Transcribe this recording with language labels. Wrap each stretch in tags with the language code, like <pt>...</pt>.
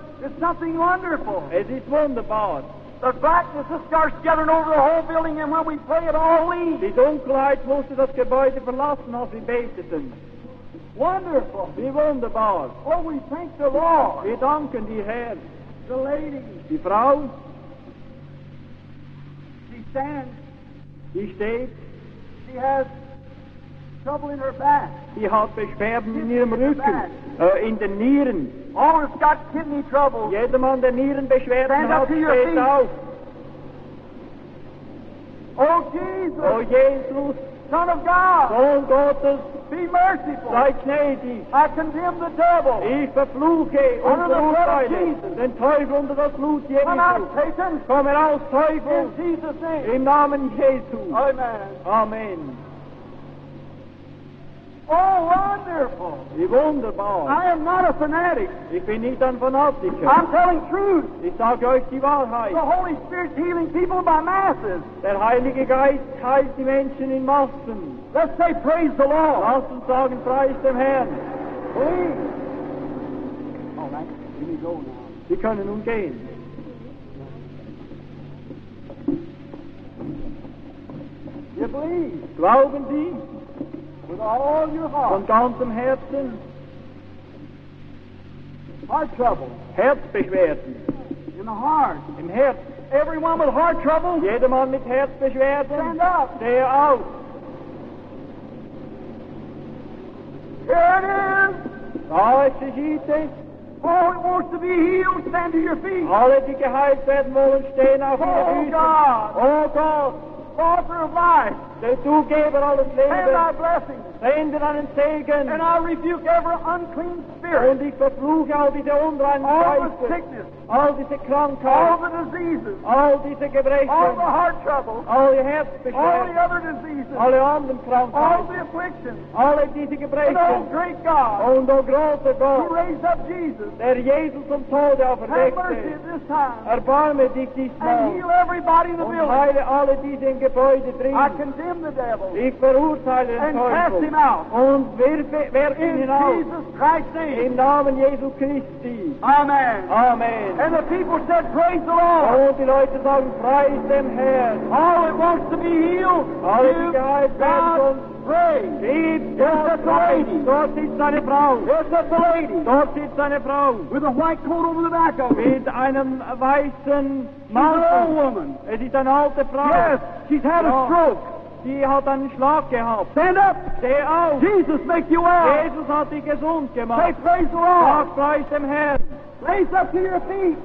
<en>It's something wonderful.</en> <de>Es ist wunderbar.</de> <en>The blackness just starts gathering over the whole building, and when we pray, it all leaves.</en> <de>Die Dunkelheit musste das Gebäude verlassen, als wir beteten.</de> <en>Wonderful.</en> <de>Wie wunderbar.</de> <en>Oh, we thank the Lord.</en> <de>Wir danken dir, Herr.</de> <en>The lady.</en> <de>Die Frau.</de> <en>She stands.</en> <de>Sie steht.</de> <en>She has trouble in her back.</en> <de>Sie hat Beschwerden in ihrem Rücken. In den Nieren.</de> <en>All has got kidney trouble.</en> <de>Jeder Mann, der Nierenbeschwerden</de> <en>Stand</en> <de>hat,</de> <en>up to</en> <de>steht</de> <en>your feet.</en> <de>Auf.</de> <en>Oh, Jesus. Oh, Jesus. Son of God.</en> <de>Sohn Gottes.</de> <en>Be merciful.</en> <de>Sei gnädig.</de> <en>I condemn the devil.</en> <de>Ich verfluche</de> <en>under</en> <de>und verurteile den Teufel unter das Blut Jesu.</de> <en>Come out, Satan.</en> <de>Komm heraus, Teufel.</de> <en>In Jesus' name.</en> <de>Im Namen Jesu.</de> <en>Amen.</en> <de>Amen.</de> <en>Oh, wonderful!</en> <de>Wie wunderbar!</de> <en>I am not a fanatic.</en> <de>Ich bin nicht ein Fanatiker.</de> <en>I'm telling truth.</en> <de>Ich sage euch die Wahrheit.</de> <en>The Holy Spirit healing people by masses.</en> <de>Der Heilige Geist heilt die Menschen in Massen.</de> <en>Let's say praise the Lord.</en> <de>Lasst uns sagen, preist dem Herrn.</de> <en>Please. All right, let me go now.</en> <de>Sie können nun gehen.</de> <en>You believe?</en> <de>Glauben Sie?</de> <en>With all your heart.</en> <de>Von ganzem Herzen.</de> <en>Heart trouble.</en> <de>Herzbeschwerden.</de> <en>In the heart.</en> <de>Im Herz.</de> <en>Everyone with heart trouble?</en> <de>Jeder Mann mit Herzbeschwerden.</de> <en>Stand up.</en> <de>Steh auf.</de> <en>Here it is.</en> <de>Da ist es heute.</de> <en>All who wants to be healed, stand to your feet.</en> <de>Alle, die geheilt werden wollen, stehen auf ihre Füße.</de> <en>Oh God. Oh God. Father of life.</en> <de>Der Zugeber alles Lebens.</de> <en>Send thy blessing.</en> <de>Send deinen Segen.</de> <en>And I rebuke every unclean spirit.</en> <de>Und ich verfluche all diese unreinen Geister.</de> <en>All the sickness.</en> <de>All diese Krankheit.</de> <en>All the diseases.</en> <de>All diese Gebrechen.</de> <en>All the heart trouble.</en> <de>All die Herzbeschwerden.</de> <en>All the other diseases.</en> <de>Alle anderen Krankheiten.</de> <en>All the afflictions.</en> <de>Alle diese Gebrechen.</de> <en>And oh great God.</en> <de>Und oh großer Gott.</de> <en>Who raised up Jesus.</en> <de>Der Jesus zum Tode auferweckte.</de> <en>Have mercy at this time.</en> <de>Erbarme dich diesmal.</de> <en>And heal everybody in the building.</en> <de>Und heile alle diese Gebäude drin.</de> <en>I condemn the devil.</en> <de>Ich verurteile den</de> <en>and</en> <de>Teufel.</de> <en>Cast him out.</en> <de>Und werfe ihn in hinaus.</de> <en>In Jesus Christ's name.</en> <de>Im Namen Jesu Christi.</de> <en>Amen.</en> <de>Amen.</de> <en>And the people said, praise the Lord.</en> <de>Oh, die Leute sagen, preis dem Herrn.</de> <en>All it wants to be healed, give God praise. Yes, that's a lady. Yes, that's a lady.</en> <de>Dort sitzt eine Frau.</de> <en>With a white coat over the back of it.</en> <de>Mit einem weißen Mantel.</de> <en>She's an old woman.</en> <de>Es ist eine alte Frau.</de> <en>Yes, she's had a stroke.</en> <de>Sie hat einen Schlag gehabt.</de> <en>Stand up.</en> <de>Steh auf.</de> <en>Jesus make you well.</en> <de>Jesus hat dich gesund gemacht.</de> <en>Say praise the Lord.</en> <de>Sag preis dem Herrn.</de> <en>Raise up to your feet.</en>